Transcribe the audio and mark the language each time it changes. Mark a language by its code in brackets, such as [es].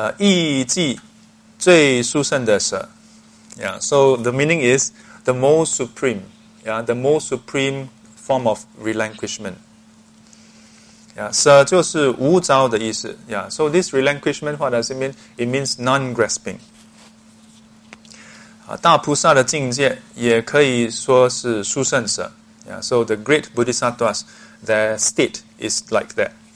[zh] 意即最殊胜的舍. [en] Yeah, so the meaning is the most supreme. Yeah, the most supreme form of relinquishment. Yeah, [zh] 舍就是无着的意思. [en] Yeah, so this relinquishment, what does it mean? It means non-grasping. [zh] 大菩萨的境界也可以说是殊胜舍. [en] Yeah, so the great Bodhisattvas, their state is like that.